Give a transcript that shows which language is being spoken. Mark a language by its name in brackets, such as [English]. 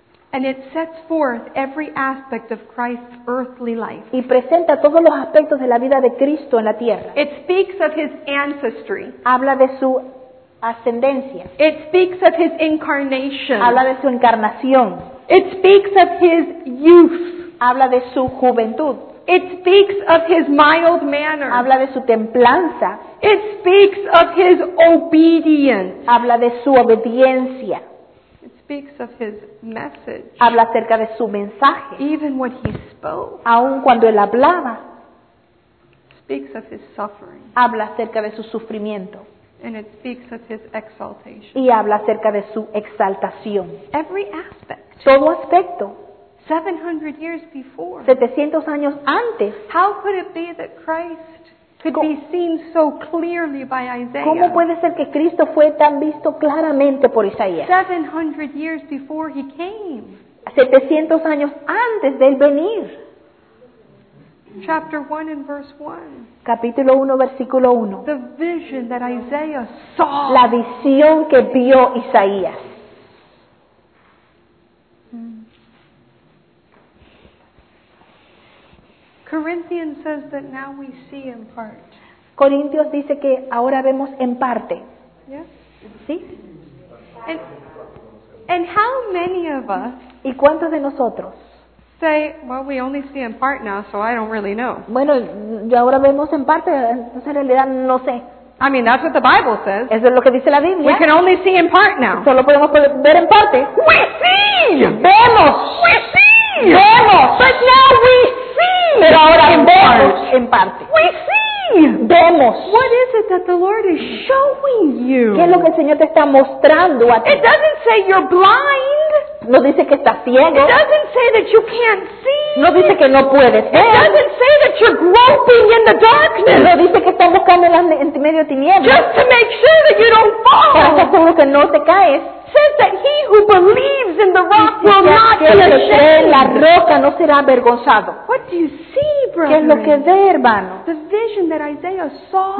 [English] And it sets forth every aspect of Christ's earthly life. [Spanish] Y presenta todos los aspectos de la vida de Cristo en la tierra. [English] It speaks of his ancestry. [Spanish] Habla de su ascendencia. [English] It speaks of his incarnation. [Spanish] Habla de su encarnación. [English] It speaks of his youth. [Spanish] Habla de su juventud. [English] It speaks of his mild manner. [Spanish] Habla de su templanza. [English] It speaks of his obedience. [Spanish] Habla de su obediencia. [English] Speaks of his message. [Spanish] Habla acerca de su mensaje. [English] Even what he spoke. [Spanish] Aun cuando él hablaba. [English] Speaks of his suffering. [Spanish] Habla acerca de su sufrimiento. [English] And it speaks of his exaltation. [Spanish] Y habla acerca de su exaltación. [English] Every aspect. [Spanish] Todo aspecto. [English] 700 years before. [Spanish] 700 años antes. [English] How could it be that Christ could be seen so clearly by Isaiah? [Spanish] ¿Cómo puede ser que Cristo fue tan visto claramente por Isaías? [English] 700 years before he came. [Spanish] 700 años antes de él venir. [English] Chapter 1 and verse 1. [Spanish] Capítulo 1, versículo 1. [English] The vision that Isaiah saw. [Spanish] La visión que vio Isaías. [English] Corinthians says that now we see in part. [Spanish] Corintios dice que ahora vemos en parte. [English] Yes. [Spanish] ¿Sí? [English] And how many of us? [Spanish] ¿Y cuántos de nosotros? [English] Say, well, we only see in part now, so I don't really know. [Spanish] Bueno, yo ahora vemos en parte, entonces en realidad no sé. [English] I mean, that's what the Bible says. [Spanish] Eso es lo que dice la Biblia. [English] We can only see in part now. [Spanish] Solo podemos ver en parte. [English] We see. [Spanish] Vemos. [English] We see. [Spanish] Vemos. [English] But now we. [Spanish] Pero ahora vemos en parte. [English] We see. [Spanish] Vemos. [English] What is it that the Lord is showing you? [Spanish] ¿Qué es lo que el Señor te está mostrando a ti? [English] It doesn't say you're blind. [Spanish] No dice que estás ciego. [English] It doesn't say that you can't see. [Spanish] No dice que no puedes ver. [English] It doesn't say that you're groping in the darkness. [Spanish] No dice que estás buscando en medio de tinieblas. [English] Just to make sure that you don't fall. [Spanish] Para estar seguro que no te caes. [English] Says that he who believes in the rock will not be ashamed. [Spanish] La roca no será avergonzado. [English] What do you see, brother? [Spanish] ¿Qué es lo que ve, hermano? [English] The vision that Isaiah saw.